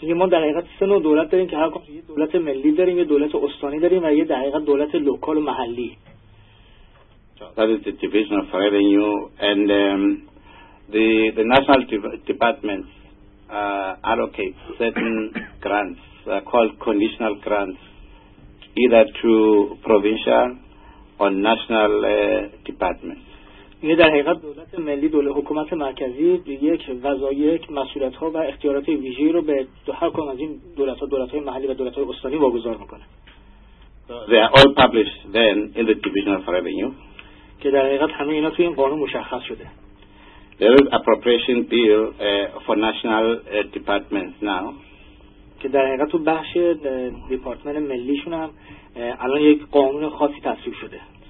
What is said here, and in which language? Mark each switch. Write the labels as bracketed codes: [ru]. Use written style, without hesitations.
[fa] ما در حقیقت سه نوع دولت داریم که هر کدوم یه دولت ملی داریم، یه دولت استانی داریم و یه در حقیقت دولت لوکال و محلی. [en] That is the Division of Revenue and the national departments allocate certain grants called conditional grants either to provincial or national departments. [fa] یعنی در حقیقت دولت ملی دولت حکومت مرکزی یک وظایف مسئولیت ها و اختیارات ویژه‌ای رو به هر کدوم از این دولت ها دولت های محلی و دولت های استانی واگذار میکنه. [en] They are all published then in the Division of Revenue. [fa] که در حقیقت همه اینا توی این قانون مشخص شده. [en] There is appropriation bill for national departments now. [fa] که در حقیقت تو بخش دپارتمان ملیشون هم الان یک قانون خاصی تصویب شده.